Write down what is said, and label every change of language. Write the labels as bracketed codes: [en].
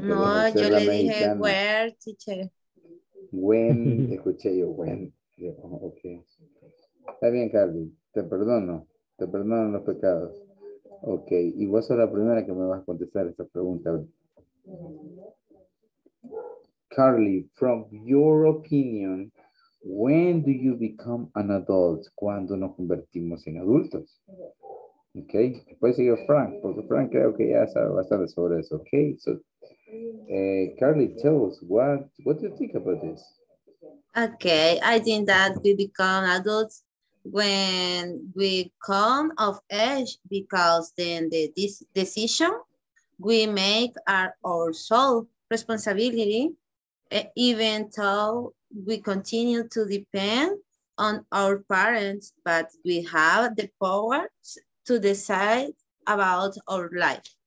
[es] no, yo le dije where, teacher. When, escuché yo, when. Oh, ok. Está bien, Carly, te perdono los pecados. Ok, y vos sos la primera que me vas a contestar esta pregunta. [en] Carly, from your opinion, when do you become an adult? [es] ¿Cuándo nos convertimos en adultos? Ok, puedes seguir Frank, porque Frank creo que ya sabe bastante sobre eso. [en] Ok, so, Carly, tell us, what do you think about this? Ok, I think that we become adults when we come of age, because then the decision we make are our sole responsibility, even though we continue to depend on our parents, but we have the power to decide about our life.